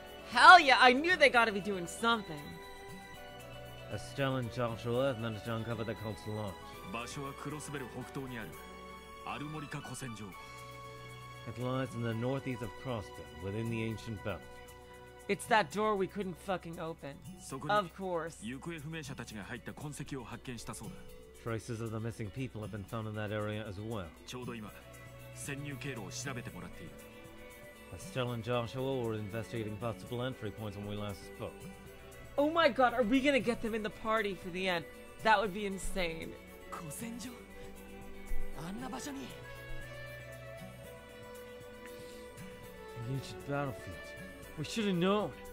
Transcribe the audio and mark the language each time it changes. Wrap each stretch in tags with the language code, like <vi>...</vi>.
<en>Hell yeah, I knew they gotta be doing something. Estelle and Joshua have managed to uncover the cult's launch.</en> <ja>場所はクロスベル北東にあるアルモリカ古戦場.</ja> <en>It lies in the northeast of Crossbell, within the ancient belt. It's that door we couldn't fucking open. Of course.</en> <ja>そこに行方不明者たちが入った痕跡を発見したそうだ.</ja> <en>Traces of the missing people have been found in that area as well.</en> <ja>ちょうど今、潜入経路を調べてもらっている.</ja> <en>Estelle and Joshua were investigating possible entry points when we last spoke. Oh my god, are we gonna get them in the party for the end? That would be insane. An ancient battlefield. We should have known.</en>